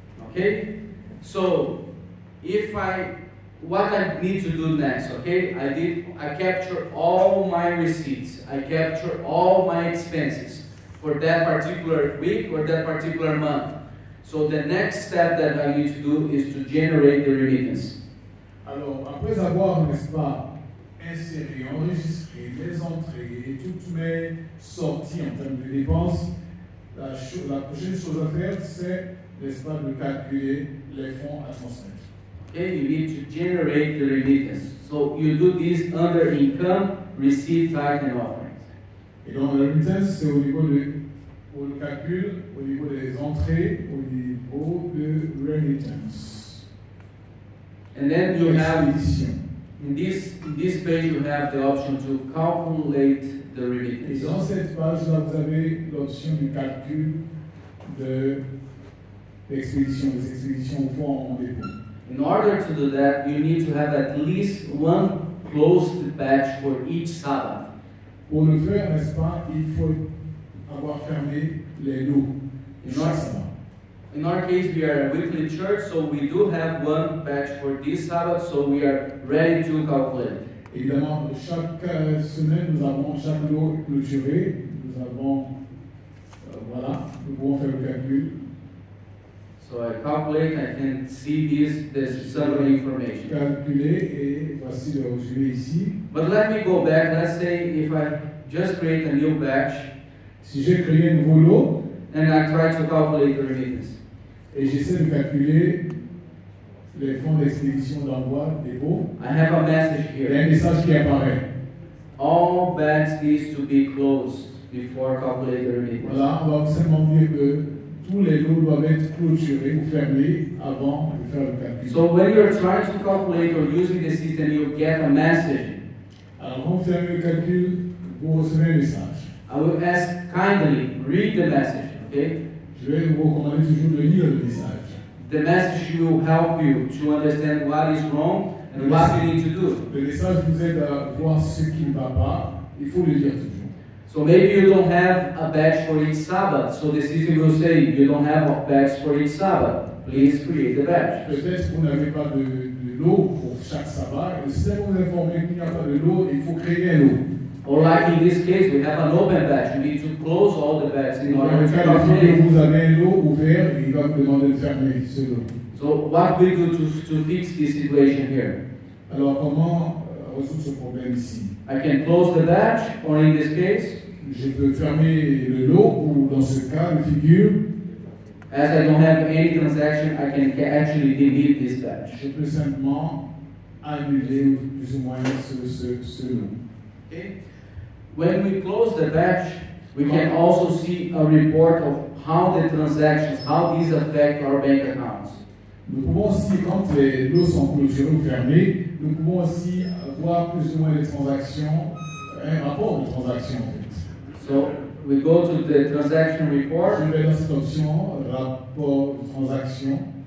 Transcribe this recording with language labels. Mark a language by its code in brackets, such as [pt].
[en] Okay, so if I what I need to do next, okay? I capture all my receipts. I capture all my expenses for that particular week or that particular month. So the next step that I need to do is to generate the remittance. [fr] Alors, après avoir, n'est-ce pas, inséré, enregistré les entrées et toutes mes sorties en termes de dépenses, la prochaine chose à faire, c'est, n'est-ce pas, de calculer les fonds à transmettre. [en] Okay, you need to generate the remittance. So you do this under income, receipt, tax, and offerings. [fr] Et donc, la remittance, c'est au niveau de, pour le calcul, au niveau des entrées, au niveau de remittance. [en] And then you have in this page you have the option to calculate the remittance. [fr] Et dans cette page là, vous avez l'option du calcul de l'expédition, des expéditions au fonds en dépôt. [en] In order to do that, you need to have at least one closed batch for each Sabbath. [fr] Pour le faire, n'est-ce pas, il faut avoir fermé les lots chaque Sabbath. [en] In our case, we are a weekly church, so we do have one batch for this Sabbath, so we are ready to calculate. [fr] Évidemment, chaque semaine, nous avons chaque lot clôturé. Nous avons, voilà, nous pouvons faire le calcul. [en] So I calculate, I can see this summary information. [fr] Calculer et voici le résumé ici. [en] But let me go back. Let's say if I just create a new batch. [fr] Si j'ai créé un nouveau lot. [en] And I try to calculate the remittance. [fr] Et j'essaie de calculer les fonds d'expédition d'envoi, dépôt. [en] I have a message here. [fr] Il y a un message qui apparaît. [en] All bags needs to be closed before calculating the remittance. [fr] Voilà, on va simplement dire que tous les lots doivent être clôturés ou fermés avant de faire le calcul. [en] So when you're trying to calculate or using the system, you get a message. [fr] Alors quand vous fermez le calcul, vous recevez un message. [en] I will ask kindly, read the message, okay? [fr] Je vais vous recommander toujours de lire le message. [en] The message will help you to understand what is wrong and what you need to do. [fr] Le message vous aide à voir ce qui ne va pas. Il faut le lire toujours. [en] So maybe you don't have a batch for each Sabbath. So the system will say you don't have a batch for each Sabbath. Please create the batch. [fr] Peut-être que vous n'avez pas de lot pour chaque Sabbat. Le système vous informe qu'il n'y a pas de lot, il faut créer un lot. [en] Or like in this case, we have an open batch. You need to close all the bags in order to calculate. [fr] Vous avez un lot ouvert, il va vous demander de fermer ce lot. [en] So what we do to fix this situation here? [fr] Alors comment résoudre ce problème ici? [en] I can close the batch, or in this case? [fr] Je peux fermer le lot, ou dans ce cas, le figure. [en] As I don't have any transaction, I can actually delete this batch. [fr] Je peux simplement annuler plus ou moins ce lot. [en] When we close the batch, we can also see a report of how the transactions, how these affect our bank accounts. [fr] Nous pouvons aussi, quand les lots sont clôturés ou fermés, nous pouvons aussi voir plus ou moins les transactions, un rapport de transactions en fait. [en] So, we go to the transaction report. [fr] Je vais dans cette option, rapport de transactions.